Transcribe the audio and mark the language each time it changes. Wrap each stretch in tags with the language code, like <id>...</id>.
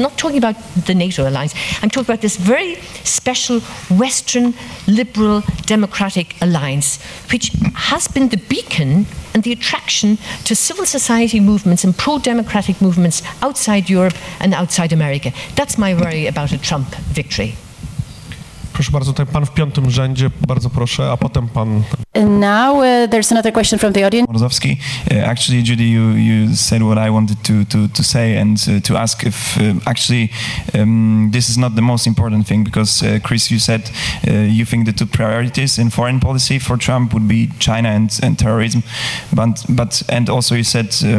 <en>I'm not talking about the NATO alliance. I'm talking about this very special Western liberal democratic alliance, which has been the beacon and the attraction to civil society movements and pro-democratic movements outside Europe and outside America. That's my worry about a Trump victory.</en> <pl>Proszę bardzo, tutaj pan w piątym rzędzie, bardzo proszę, a potem pan...</pl> <en>Now there's another question from the audience. Bartosz, actually, Judy, you said what I wanted to say and to ask if actually this is not the most important thing, because Chris, you said you think the two priorities in foreign policy for Trump would be China and terrorism, but and also you said</en>